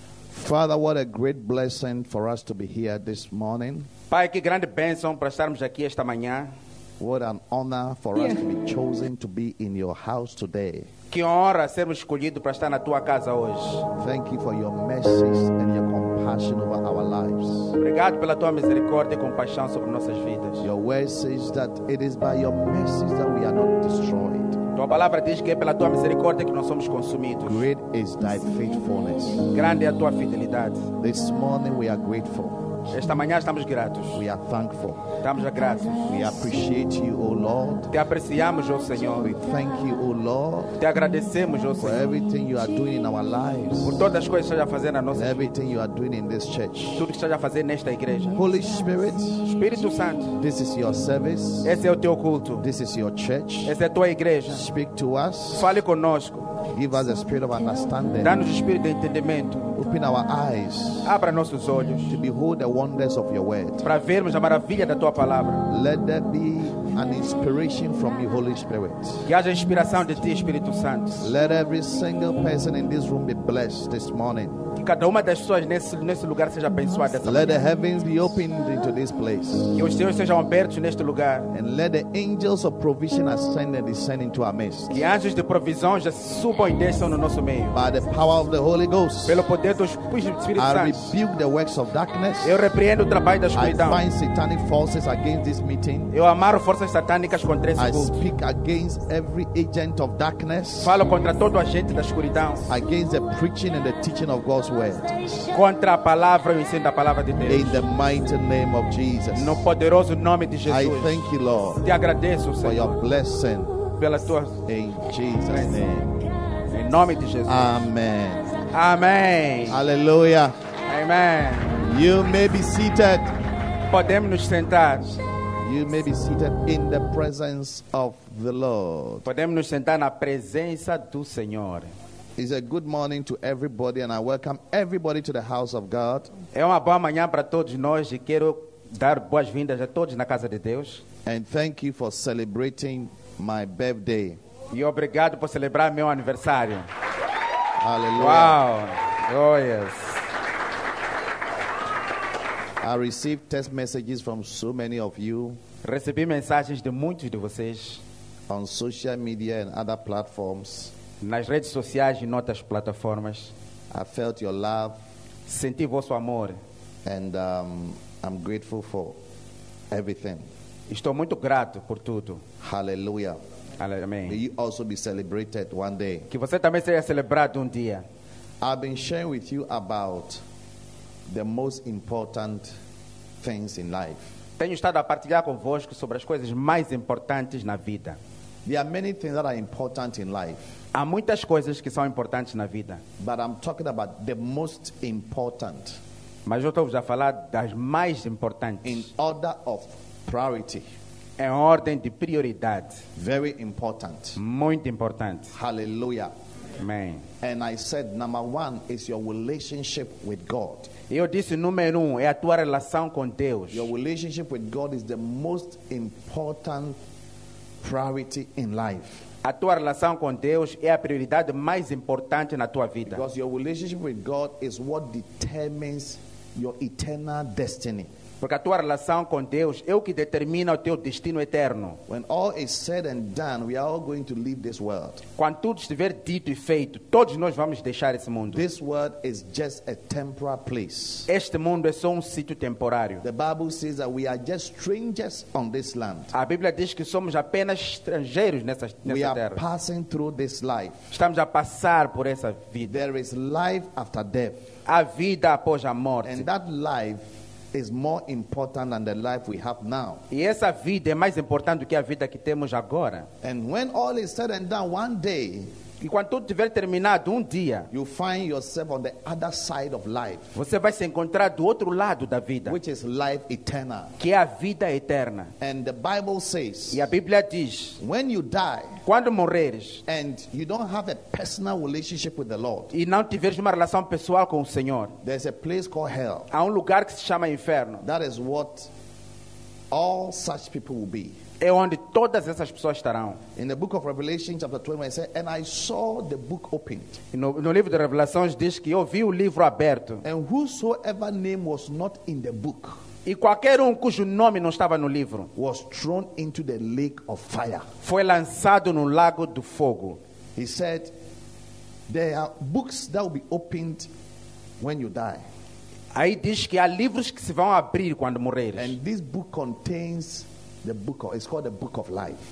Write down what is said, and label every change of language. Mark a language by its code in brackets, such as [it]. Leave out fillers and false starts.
[en] Father, what a great blessing for us to be here this morning. [pt] Pai, que grande bênção para estarmos aqui esta manhã. [en] What an honor for us to be chosen to be in your house today. [pt] Que honra sermos escolhidos para estar na tua casa hoje. [en] Thank you for your mercies and your compassion over our lives. [pt] Obrigado pela tua misericórdia e compaixão sobre nossas vidas. [en] Your word says that it is by your mercies that we are not destroyed. [pt] Tua palavra diz que é pela tua misericórdia que nós somos consumidos. [en] Great is thy faithfulness. [pt] Grande é a tua fidelidade. [en] This morning we are grateful. [pt] Esta manhã estamos gratos. [en] We are thankful. [pt] Estamos gratos. [en] We appreciate you, O Lord. [pt] Te apreciamos, O Senhor. [en] We thank you, O Lord. [pt] Te agradecemos, O Senhor. [en] For everything you are doing in our lives. [pt] Por todas as coisas que estás a fazer na nossa vida. [en] Everything you are doing in this church. [pt] Tudo que estás a fazer nesta igreja. [en] Holy Spirit. [pt] Espírito Santo. [en] This is your service. [pt] Esse é o teu culto. [en] This is your church. [pt] Essa é a tua igreja. [en] Speak to us. [pt] Fale conosco. [en] Give us a spirit of understanding. [pt] Dá-nos o espírito de entendimento. [en] Open our eyes. [pt] Abra nossos olhos. [en] To behold the wonders of your word. [pt] Para vermos a maravilha da tua palavra. [en] Let there be an inspiration from you, Holy Spirit. [pt] Que haja inspiração de ti, Espírito Santo. [en] Let every single person in this room be blessed this morning. [pt] Que cada uma das pessoas nesse lugar seja abençoada esta manhã. [en] Let the heavens be opened into this place. [pt] Que os céus sejam abertos neste lugar. [en] And let the angels of provision ascend and descend into our midst. [pt] Que anjos de provisão já subam e desçam no nosso meio. [en] By the power of the Holy Ghost. [pt] Pelo poder do Espírito Santo. [en] I rebuke the works of darkness. [pt] Eu repreendo o trabalho da escuridão. [en] I bind satanic forces against this meeting. [pt] Eu amarro forças satânicas contra esse culto. [en] I speak against every agent of darkness. [pt] Falo contra todo agente da escuridão. [en] Against the preaching and the teaching of God's word. [pt] Contra a palavra e o ensino da palavra de Deus. [en] In the mighty name of Jesus. [pt] No poderoso nome de Jesus. [en] I thank you, Lord. [pt] Te agradeço, Senhor. [en] For your blessing. [pt] Pela tua. [en] In Jesus' name. [pt] Em nome de Jesus. [en] Amen. [pt] Amém. Aleluia. [en] Amen. You may be seated. [pt] Podemos nos sentar. [en] You may be seated in the presence of the Lord. [pt] Podemos nos sentar na presença do Senhor. [en] It's a good morning to everybody, and I welcome everybody to the house of God. [pt] É uma boa manhã para todos nós e quero dar boas-vindas a todos na casa de Deus. [en] And thank you for celebrating my birthday. [pt] E obrigado por celebrar meu aniversário. [en] Hallelujah. Wow. Oh yes. I received text messages from so many of you. [pt] Recebi mensagens de muitos de vocês. [en] On social media and other platforms. [pt] Nas redes sociais e outras plataformas. [en] I felt your love. [pt] Senti vosso amor. [en] And I'm grateful for everything. [pt] Estou muito grato por tudo. [en] Hallelujah. Amen. May you also be celebrated one day. [pt] Que você também seja celebrado dia. [en] I've been sharing with you about the most important things in life. [pt] Tenho estado a partilhar convosco sobre as coisas mais importantes na vida. [en] There are many things that are important in life. [pt] Há muitas coisas que são importantes na vida. [en] But I'm talking about the most important. [pt] Mas eu estou a falar das mais importantes. [en] In order of priority. [pt] Em ordem de prioridade. [en] Very important. [pt] Muito importante. [en] Hallelujah. [pt] Amen. [en] And I said number one is your relationship with God. [pt] Eu disse número um é a tua relação com Deus. [en] Your relationship with God is the most important priority in life. [pt] A tua relação com Deus é a prioridade mais importante na tua vida. [en] Because your relationship with God is what determines your eternal destiny. [pt] Porque a tua relação com Deus é o que determina o teu destino eterno. [en] When all is said and done, we are all going to leave this world. [pt] Quando tudo estiver dito e feito, todos nós vamos deixar esse mundo. [en] This world is just a temporary place. [pt] Este mundo é só sítio temporário. [en] The Bible says that we are just strangers on this land. [pt] A Bíblia diz que somos apenas estrangeiros nessa [en] we [pt] terra. [en] We are passing through this life. [pt] Estamos a passar por essa vida. [en] There is life after death. [pt] A vida após a morte. [en] And that life is more important than the life we have now. [pt] E essa vida é mais importante do que a vida que temos agora. [en] And when all is said and done, one day, [pt] E quando tudo tiver terminado um dia, [en] you find yourself on the other side of life, [pt] você vai se encontrar do outro lado da vida, [en] which is life eternal, [pt] que é a vida eterna. [en] And the Bible says, [pt] e a Bíblia diz, [en] when you die, [pt] quando morreres, [en] and you don't have a personal relationship with the Lord, [pt] e não tiveres uma relação pessoal com o Senhor, [en] there's a place called hell. [pt] Há lugar que se chama inferno. [en] That is what all such people will be. [pt] É onde todas essas pessoas estarão. [en] In the book of Revelation, chapter 20, it says, and I saw the book opened. [pt] No livro de Revelações diz que eu vi o livro aberto. [en] And whosoever name was not in the book. [pt] E qualquer cujo nome não estava no livro. [en] Was thrown into the lake of fire. [pt] Foi lançado no lago do fogo. [en] He said, there are books that will be opened when you die. [pt] Aí diz que há livros que se vão abrir quando morreres. [en] And this book contains the book of, it's called the book of life.